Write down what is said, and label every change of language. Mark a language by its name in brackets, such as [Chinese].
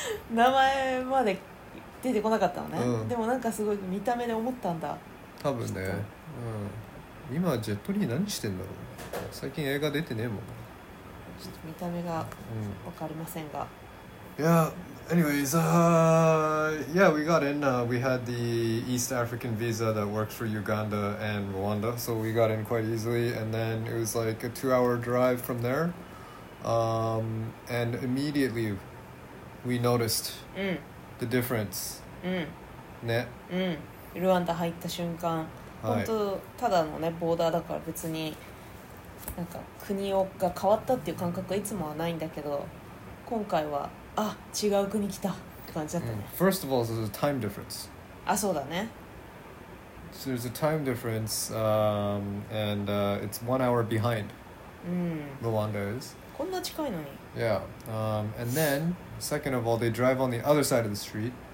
[Japanese] 名前まで出てこなかったのね。でもなんかすごい見た目で思ったんだ。多分ね。今はジェットリー何してんだろう。最近映画出てねえもん。ちょっと見た目がわかりませんが。 [English] Anyways, yeah, we got in. We had the East African visa that works for Uganda and Rwanda, so we got in quite easily. And then it was like a 2 hour drive from there. And immediately we noticed the difference. ね。 [Japanese] ルワンダ入った瞬間、本当ただのね、ボーダーだから別に、なんか国が変わったっていう感覚はいつもはないんだけど、今回は。あ、違う国来たって感じだったね。 [English] First of all, there's a time difference. [Japanese] あ、そうだね。 [English] So there's a time difference, and it's 1 hour behind. Rwanda is. [Japanese] こんな近いのに。 [English] Yeah. And then, second of all, they drive on the other side of the street.